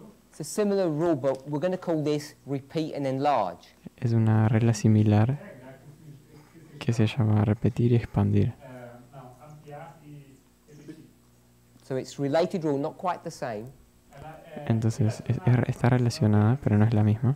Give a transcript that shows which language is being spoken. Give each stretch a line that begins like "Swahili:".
English: it's a similar rule, but we're going to call this repeat and enlarge.
Spanish: Es una regla similar que se llama repetir y expandir.
English: So it's related rule, not quite the same.
Spanish: Entonces está relacionada, pero no es la misma.